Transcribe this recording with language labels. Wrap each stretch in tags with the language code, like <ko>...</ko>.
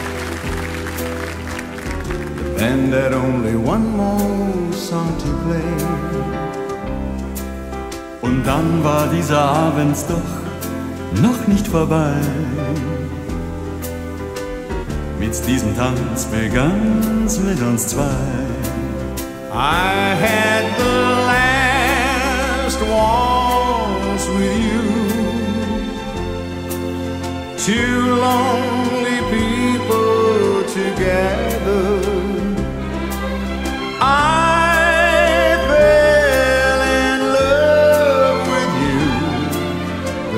<en>The band had only one more song to play.</en> <de>Und dann war dieser Abend doch noch nicht vorbei. Mit diesem Tanz begann's mit uns zwei.</de> <en>I had the last waltz with you. Two lonely people together. I fell in love with you.</en>